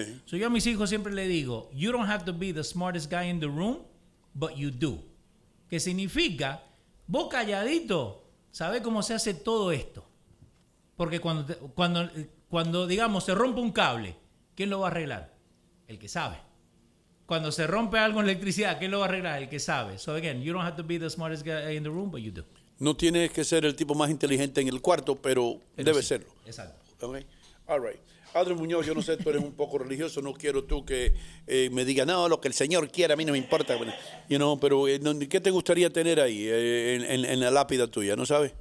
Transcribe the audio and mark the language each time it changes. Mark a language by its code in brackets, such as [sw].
[en] So [es] yo a mis hijos siempre le digo, [en] you don't have to be the smartest guy in the room, but you do. [es] Que significa, vos calladito, sabés cómo se hace todo esto. Porque cuando digamos, se rompe un cable, ¿quién lo va a arreglar? El que sabe. Cuando se rompe algo en electricidad, ¿quién lo va a arreglar? El que sabe. [en] So again, you don't have to be the smartest guy in the room, but you do. [es] No tienes que ser el tipo más inteligente en el cuarto, pero debe sí. Serlo. Exacto. [en] Okay. All right. [es] Adrián Muñoz, yo no sé, tú eres un poco religioso, no quiero tú que me digas, no, lo que el Señor quiera, a mí no me importa. Bueno, you know, pero ¿qué te gustaría tener ahí en la lápida tuya, no sabes?